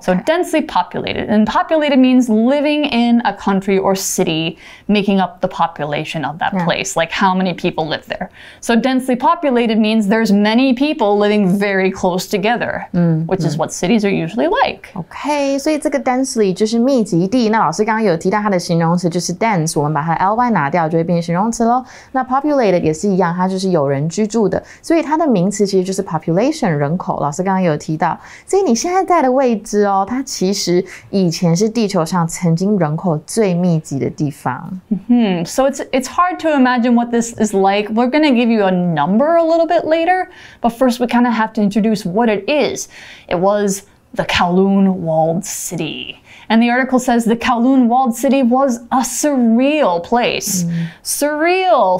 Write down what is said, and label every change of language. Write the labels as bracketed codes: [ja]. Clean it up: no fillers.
[en] So densely populated. And populated means living in a country or city, making up the population of that、yeah. place, like how many people live there. So densely populated means there's many people living very close together,、mm. which、mm. is what cities are usually like. [zh] Okay, 所以这个 densely 就是密集地。那老师刚刚有提到它的形容词就是 dense, 我们把它 ly 拿掉就会变形容词咯。那 populated,populated 也是一样，它就是有人居住的，所以它的名词其实就是 population 人口。老师刚刚有提到，所以你现在在的位置哦，它其实以前是地球上曾经人口最密集的地方。 Mm-hmm. [en] So it's hard to imagine what this is like. We're going to give you a number a little bit later, but first we kind of have to introduce what it is. It was the Kowloon Walled City. And the article says the Kowloon Walled City was a surreal place.、Mm. Surreal.